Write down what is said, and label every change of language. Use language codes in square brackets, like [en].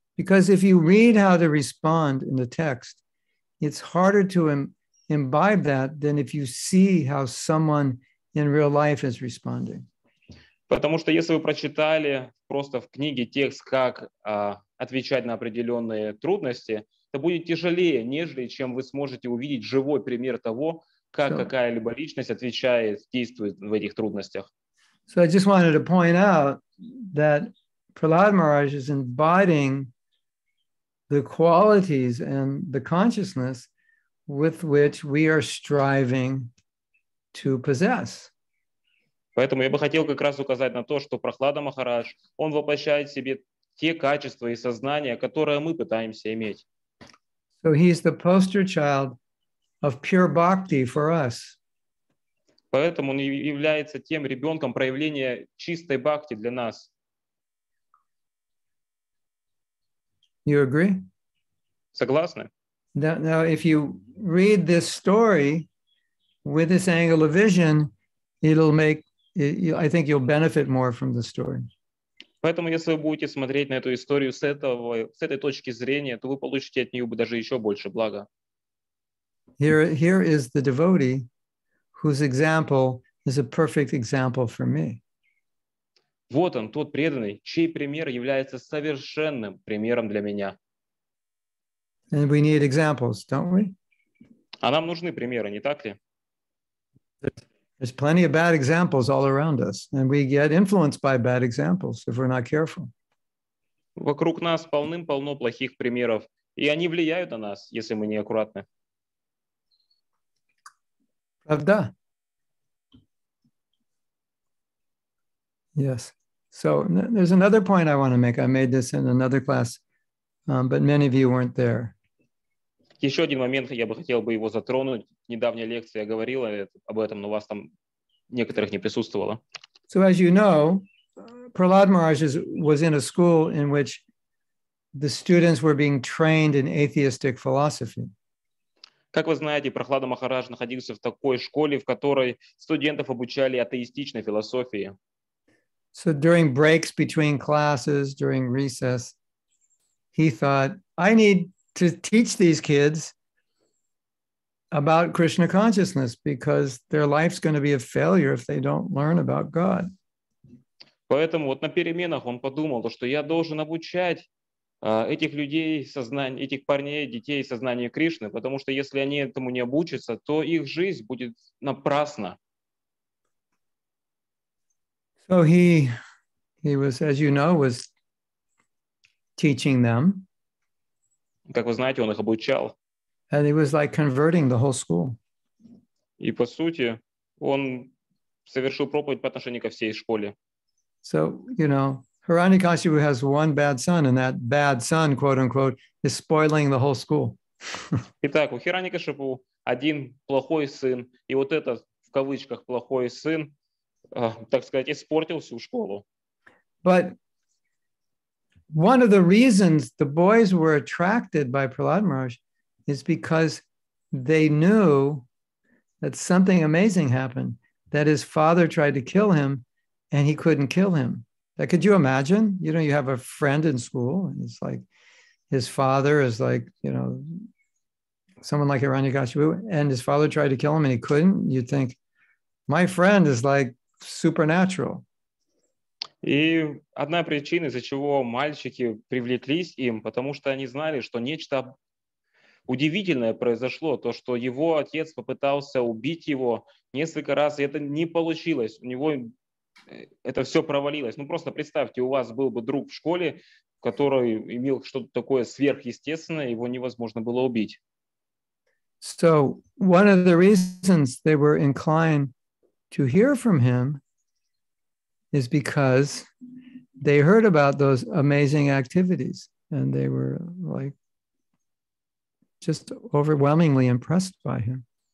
[en] Because if you read how to respond in the text, it's harder to imbibe that than if you see how someone in real life is responding. [ru] Потому что если вы прочитали просто в книге текст, как отвечать на определенные трудности, это будет тяжелее, нежели чем вы сможете увидеть живой пример того, как какая-либо личность отвечает, действует в этих трудностях. [en] So I just wanted to point out that Prahlad Maharaj is embodying the qualities and the consciousness with which we are striving to possess. [ru] Поэтому я бы хотел как раз указать на то, что Прохлада Махарадж, он воплощает в себе те качества и сознания, которые мы пытаемся иметь. [en] So he's the poster child of pure bhakti for us. [ru] Поэтому он является тем ребенком проявления чистой бхакти для нас. [en] You agree? [ru] Согласны? [en] Now, if you read this story with this angle of vision, it'll make, I think you'll benefit more from the story. [ru] Поэтому, если вы будете смотреть на эту историю с этого, с этой точки зрения, то вы получите от нее даже еще больше блага. [en] Here is the devotee whose example is a perfect example for me. [ru] Вот он, тот преданный, чей пример является совершенным примером для меня. [en] And we need examples, don't we? [ru] А нам нужны примеры, не так ли? [en] There's plenty of bad examples all around us, and we get influenced by bad examples if we're not careful. [ru] Вокруг нас полным-полно плохих примеров, и они влияют на нас, если мы не аккуратны. Правда? [en] Yes. So there's another point I want to make. I made this in another class, but many of you weren't there. [ru] Еще один момент, я бы хотел бы его затронуть. В недавней лекции я говорил об этом, но вас там некоторых не присутствовало. [en] So as you know, Prahlad Maharaj was in a school in which the students were being trained in atheistic philosophy. [ru] Как вы знаете, Прохлада Махарадж находился в такой школе, в которой студентов обучали атеистичной философии. [en] So during breaks between classes, during recess, he thought, I need to teach these kids about Krishna consciousness because their life's going to be a failure if they don't learn about God. [ru] Поэтому вот на переменах он подумал, что я должен обучать этих людей сознание, этих парней, детей сознанию Кришны, потому что если они этому не обучатся, то их жизнь будет напрасна. [en] So he was, as you know, was teaching them. [ru] Как вы знаете, он их обучал. [en] And he was like converting the whole school. [ru] И по сути, он совершил проповедь по отношению ко всей школе. [en] So, you know, Hiranyakashipu has one bad son, and that bad son, quote-unquote, is spoiling the whole school. [ru] Итак, у Hiranyakashipu один плохой сын, и вот этот, в кавычках, плохой сын, так сказать, испортил всю школу. [en] But one of the reasons the boys were attracted by Prahlad Maharaj is because they knew that something amazing happened, that his father tried to kill him and he couldn't kill him. That, could you imagine? You know, you have a friend in school, and it's like his father is like, you know, someone like Hiranyakashipu, and his father tried to kill him and he couldn't. You'd think, my friend is like supernatural. [ru] И одна причина, из-за чего мальчики привлеклись им, потому что они знали, что нечто удивительное произошло, то, что его отец попытался убить его несколько раз, и это не получилось. У него это все провалилось. Ну, просто представьте, у вас был бы друг в школе, который имел что-то такое сверхъестественное, его невозможно было убить. [en] So, one of the reasons they were inclined to hear from him is because they heard about those amazing activities and they were like just overwhelmingly impressed by him.